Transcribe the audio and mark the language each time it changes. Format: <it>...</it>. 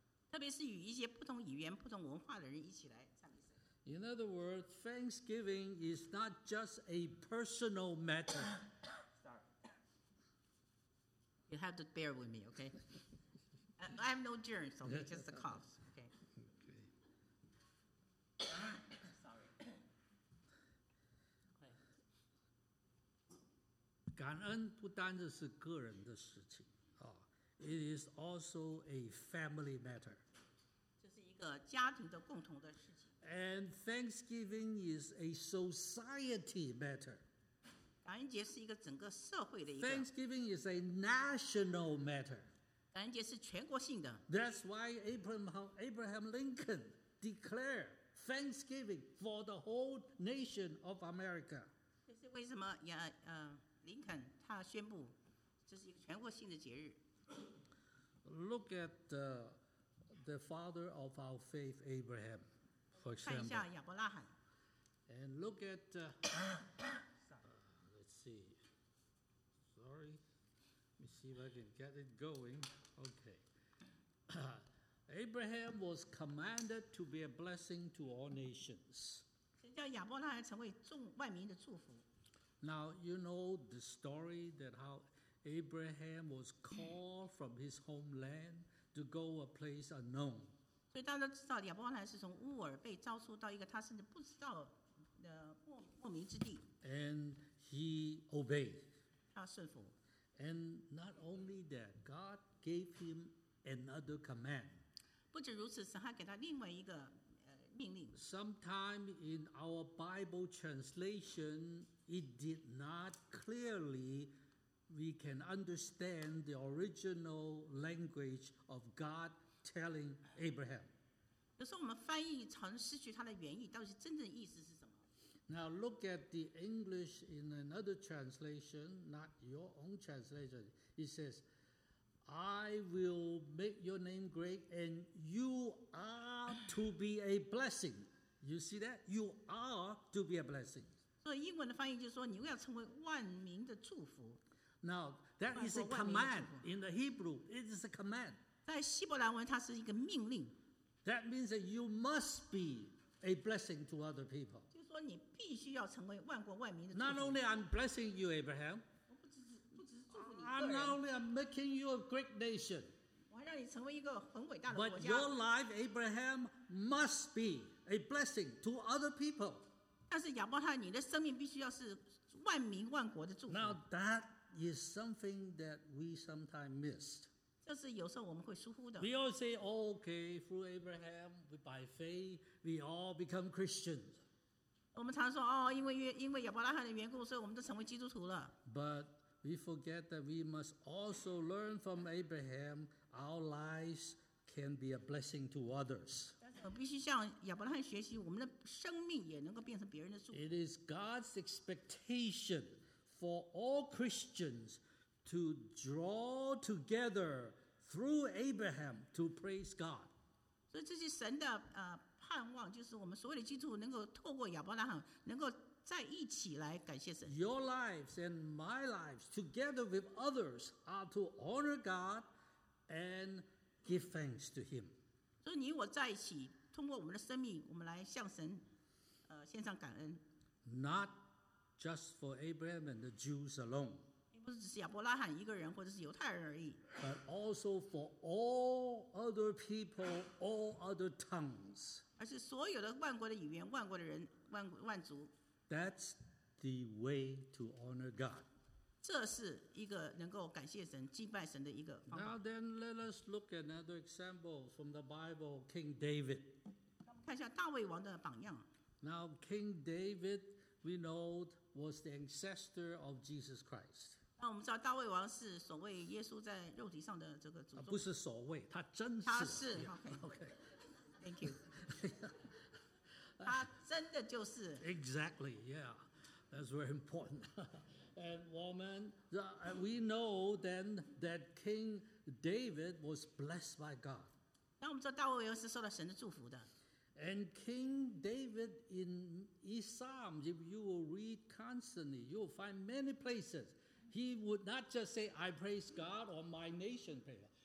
<zh>特别是与一些不同语言、不同文化的人一起来。</zh> <en>In other words, thanksgiving is not just a personal matter. Sorry. You have to bear with me, okay? I have no germs, so it's just the cough. Okay. Okay. Sorry.</en> <zh>Okay. 感恩不单只是个人的事情啊,</zh> <en>it is also a family matter.</en> <zh>这是一个家庭的共同的事情。</zh> <en>And thanksgiving is a society matter.</en> <zh>感恩节是一个整个社会的一个。</zh> <en>Thanksgiving is a national matter.</en> <zh>感恩节是全国性的。</zh> <en>That's why Abraham Lincoln declared thanksgiving for the whole nation of America.</en> <zh>这是为什么呀？林肯他宣布这是一个全国性的节日。</zh> <en>Look at the father of our faith, Abraham. For example, and look at, let me see if I can get it going. Okay. Abraham was commanded to be a blessing to all nations.</en> <zh>神叫亚伯拉罕成为众万民的祝福。</zh> <en>Now you know the story that how Abraham was called from his homeland to go a place unknown.</en> <zh>所以大家知道亚伯拉罕是从乌尔被召出到一个他甚至不知道的莫名之地。</zh> <en>And he obeyed.</en> <zh>他顺服。</zh> <en>And not only that, God gave him another command.</en> <zh>不止如此，神还给他另外一个命令。</zh> <en>Sometime in our Bible translation, it did not clearly we can understand the original language of God telling Abraham.</en> <zh>有时候我们翻译常失去它的原意，到底真正意思是什么？</zh> <en>Now look at the English in another translation, not your own translation. It says, I will make your name great and you are to be a blessing. You see that? You are to be a blessing.</en> <zh>所以英文的翻译就是说你要成为万民的祝福。</zh> <en>Now that is a command in the Hebrew. It is a command.</en> <zh>在希伯来文它是一个命令。</zh> <en>That means that you must be a blessing to other people.</en> <zh>你必须要成为万国万民的祝</zh> <en>福。Not only I'm blessing you, Abraham.</en> <zh>不只是祝福你个人。</zh> <en>I'm not only making you a great nation.</en> <zh>我还让你成为一个很伟大的国家。</zh> <en>But your life, Abraham, must be a blessing to other people.</en> <zh>但是亚伯拉罕，你的生命必须要是万民万国的祝福。</zh> <en>Now that is something that we sometimes missed.</en> <zh>这是有时候我们会疏忽的。</zh> <en>We all say, oh, okay, through Abraham, by faith, we all become Christians.</en> <zh>我们常说、哦、因为亚伯拉罕的缘故，所以我们都成为基督徒了。</zh> <en>But we forget that we must also learn from Abraham. Our lives can be a blessing to others.</en> <zh>我必须向亚伯拉罕学习，我们的生命也能够变成别人的祝福。</zh> <en>It is God's expectation for all Christians to draw together through Abraham to praise God.</en> <zh>所以这是神的盼望，就是我们所有的基督徒能够透过亚伯拉罕能够在一起来感谢神。</zh> <en>Your lives and my lives together with others are to honor God and give thanks to him.</en> <zh>所以你我在一起通过我们的生命我们来向神献上感恩。</zh> <en>Not just for Abraham and the Jews alone.</en> <zh>不只是亚伯拉罕一个人或者是犹太人而已。</zh> <en>But also for all other people, all other tongues.</en> <zh>而是所有的万国的语言、万国的人、万族。</zh> <en>That's the way to honor God.</en> <zh>这是一个能够感谢神、敬拜神的一个方法。</zh> <en>Now then, let us look at another example from the Bible, King David.</en> <zh>看一下大卫王的榜样。</zh> <en>Now, King David, we know, was the ancestor of Jesus Christ.</en> <zh>那我们知道大卫王是所谓耶稣在肉体上的这个祖宗。不是所谓，他真是。他是。 Yeah, OK. Okay.</zh> <en>Thank you.</en> <zh>他真的就是</zh> <en>Exactly, yeah. That's very important. And woman, we know then that King David was blessed by God.</en> <zh>那我们知道大卫王是受到神的祝福的。</zh> <en>And King David in Psalms, if you will read constantly, you will find many places. He would not just say, I praise God or my nation prayer.</en>